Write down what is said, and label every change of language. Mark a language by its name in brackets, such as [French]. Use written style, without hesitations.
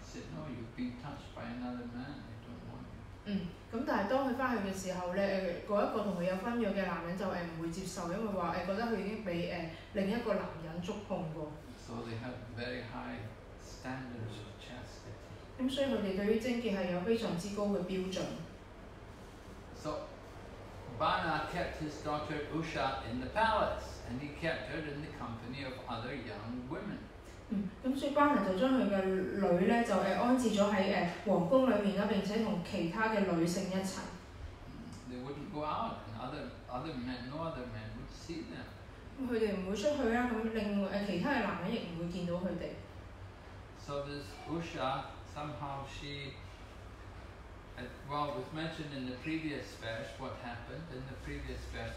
[English] He said, no, you've been touched by another man. I don't want you. [Cantonese] 咁但係當佢翻去嘅時候咧，嗰一個同佢有婚約嘅男人就唔會接受，因為話覺得佢已經被另一個男人觸碰過。 [English] So they have very high standards of chastity. [Cantonese] 咁所以佢哋對於貞潔係有非常之高嘅標準。 [English] So Bana kept his daughter Usha in the palace. And he kept her in the company of other young women. [Cantonese] 咁所以巴蘭就將佢嘅女咧就安置咗喺皇宮裏面啦，並且同其他嘅女性一齊。 [English] They wouldn't go out, and other men, no other men would see them. [Cantonese] 咁佢哋唔會出去啦，咁另外其他嘅男人亦唔會見到佢哋。 [English] So this Usha somehow she, well, it was mentioned in the previous verse what happened in the previous verse.